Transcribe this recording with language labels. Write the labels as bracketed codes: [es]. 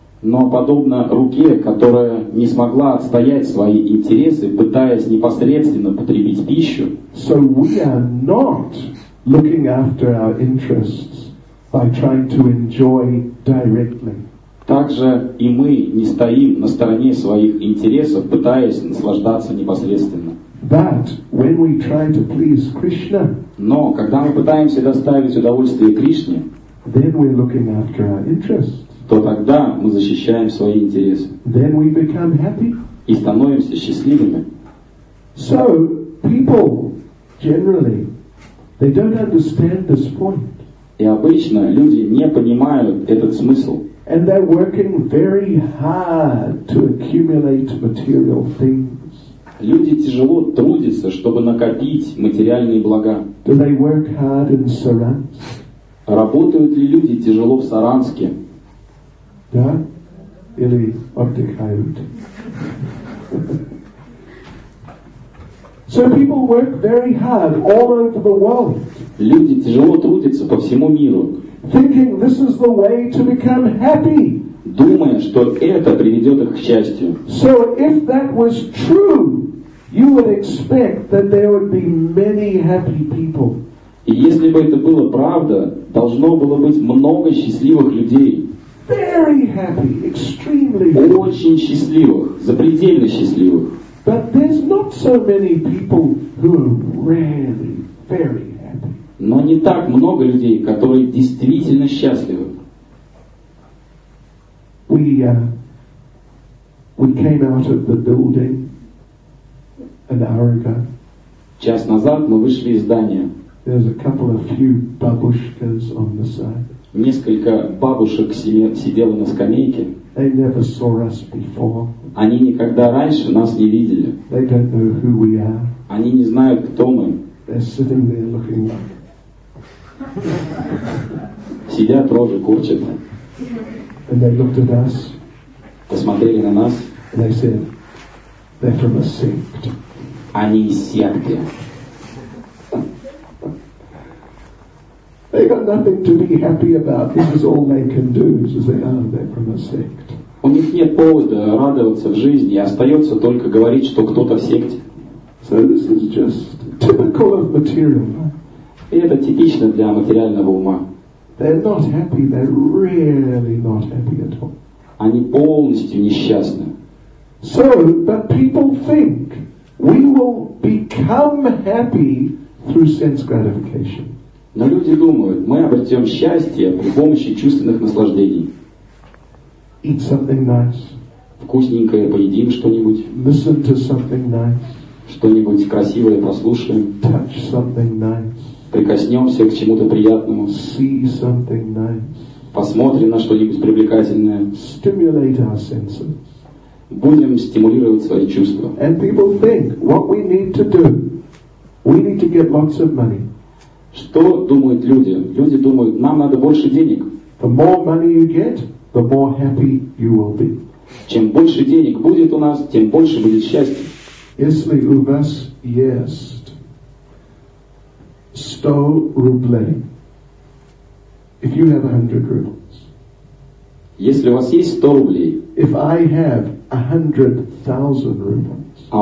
[ru] Но подобно руке, которая не смогла отстоять свои интересы, пытаясь непосредственно потребить пищу. [en] So we are not looking after our interests by trying to enjoy directly. [ru] Также и мы не стоим на стороне своих интересов, пытаясь наслаждаться непосредственно. [en] But when we try to please Krishna, [ru] но когда мы пытаемся доставить удовольствие Кришне, [en] then we're looking after our interests. [ru] То тогда мы защищаем свои интересы. [en] Then we become happy. [ru] И становимся счастливыми. [en] So people generally they don't understand this point. [ru] И обычно люди не понимают этот смысл. [en] And they're working very hard to accumulate material things. [ru] Люди тяжело трудятся, чтобы накопить материальные блага. [en] Do they work hard in Saransk? [ru] Работают ли люди тяжело в Саранске? Да? Или отдыхают? [en] So people work very hard all over the world. [ru] Люди тяжело трудятся по всему миру. [en] Thinking this is the way to become happy. [ru] Думая, что это приведет их к счастью. [en] So if that was true, you would expect that there would be many happy people. [ru] И если бы это было правда, должно было быть много счастливых людей. [en] Very happy, extremely happy. [ru] Очень счастливых, запредельно счастливых. [en] But there's not so many people who are really very happy. [ru] Но не так много людей, которые действительно счастливы. [en] We came out of the building an hour ago. [ru] Час назад мы вышли из здания. [en] There's a couple of few babushkas on the side. [ru] Несколько бабушек сидело на скамейке. [en] They never saw us before. [ru] Они никогда раньше нас не видели. [en] They don't know who we are. [ru] Они не знают, кто мы. [en] They're sitting there looking like... [ru] Сидят, рожи курчат. [en] And they looked at us. [ru] Посмотрели на нас. [en] And they said, they're from a sect. [ru] Они из секты. [en] They got nothing to be happy about. This is all they can do. They're from a sect. [ru] У них нет повода радоваться в жизни, остается только говорить, что кто-то в секте. [en] So this is just typical of material. [ru] И это типично для материального ума. [en] They're not happy. They're really not happy at all. [ru] Они полностью несчастны. [en] So, but people think we will become happy through sense gratification. [ru] Но люди думают, мы обретем счастье при помощи чувственных наслаждений. [en] Eat something nice. [ru] Вкусненькое поедим что-нибудь. [en] Listen to something nice. [ru] Что-нибудь красивое послушаем. [en] Touch something nice. [ru] Прикоснемся к чему-то приятному. [en] See something nice. [ru] Посмотрим на что-нибудь привлекательное. [en] Stimulate our senses. [ru] Будем стимулировать свои чувства. [en] And people think, what we need to do, we need to get lots of money. [ru] Что думают люди? Люди думают, нам надо больше денег. [en] The more money you get, the more happy you will be. [ru] Чем больше денег будет у нас, тем больше будет счастья. Если у вас есть 100 рублей, [en] if you have 100 rubles, [ru] если у вас есть 100 рублей, [en] if I have 100,000 rubles,